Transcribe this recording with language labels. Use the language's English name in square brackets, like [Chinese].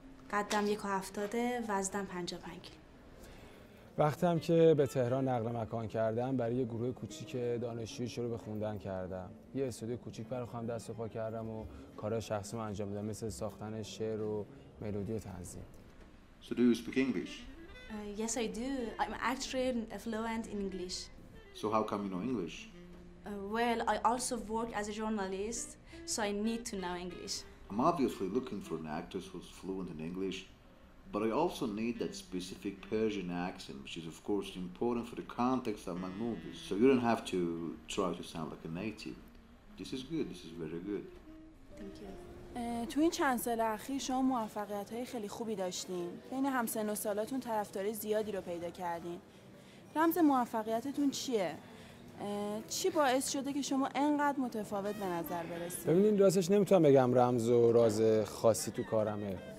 [Persian] قدم 1.70، وزنم 55. وقتی هم که به تهران نقل مکان کردم برای یه گروه کوچیک دانشجویی شروع به خوندن کردم. یه استودیو کوچیک برای خودم دست و پا کردم و کارهای شخصی رو انجام دادم، مثل ساختن شعر و ملودی و تنظیم. [English] So do you speak English? Yes, I do. I'm actually fluent in English. So how come you know English? Well, I also work as a journalist, so I need to know English. I'm obviously looking for an actress who's fluent in English. But I also need that specific Persian accent, which is of course important for the context of my movies. So you don't have to try to sound like a native. This is good, this is very good. Thank you. [Persian] تو این چند سال اخیر شما موفقیت‌های خیلی خوبی داشتین. بین همسن و سالاتون طرفدار زیادی رو پیدا کردین. رمز موفقیتتون چیه؟ چی باعث شده که شما انقدر متفاوت به نظر برسید؟ ببینین راستش نمیتونم بگم رمز و راز خاصی تو کارمه.